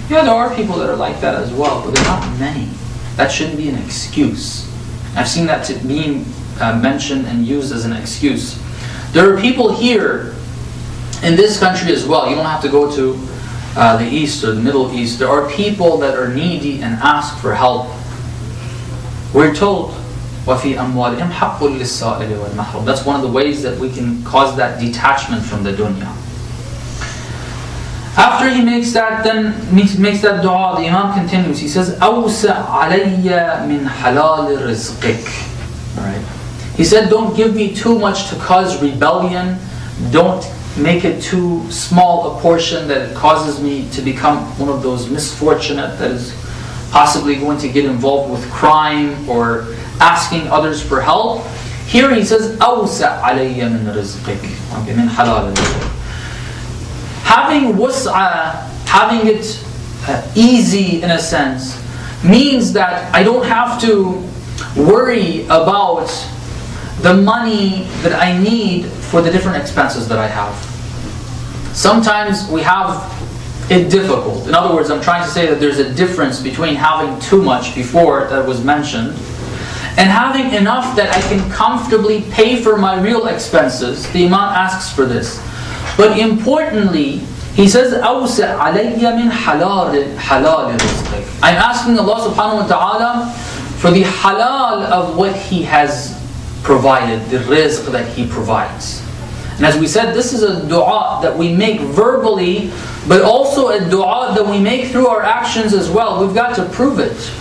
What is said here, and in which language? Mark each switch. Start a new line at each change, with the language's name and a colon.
English: Yeah, there are people that are like that as well, but they're not many. That shouldn't be an excuse. I've seen that being mentioned and used as an excuse. There are people here in this country as well. You don't have to go to the East or the Middle East. There are people that are needy and ask for help.
Arabic: We're told, وَفِي أَمْوَالِهِمْ حَقُّ لِلسَّائِلِ وَالْمَحْرُومِ.
English: That's one of the ways that we can cause that detachment from the dunya. After he makes that, dua, the Imam continues. He says,
Arabic: أَوْسَ عَلَيَّ مِنْ حَلَالِ رِزْقِكَ.
English: Right. He said, don't give me too much to cause rebellion. Don't make it too small a portion that it causes me to become one of those misfortunate that is possibly going to get involved with crime or asking others for help. Here he says,
Arabic: أَوْسَ عَلَيَّ مِنْ رِزْقِكَ. Okay, مِنْ حَلَالِ رِزْقِكَ.
English: Having wus'a, having it easy in a sense, means that I don't have to worry about the money that I need for the different expenses that I have. Sometimes we have difficult. In other words, I'm trying to say that there's a difference between having too much before that was mentioned, and having enough that I can comfortably pay for my real expenses. The imam asks for this. But importantly, he says,
Arabic: أَوْسِعْ عَلَيَّ مِنْ حَلَالِ رِزْقِكَ.
English: I'm asking Allah subhanahu wa ta'ala for the halal of what He has provided, the rizq that He provides. And as we said, this is a dua that we make verbally, but also a dua that we make through our actions as well. We've got to prove it.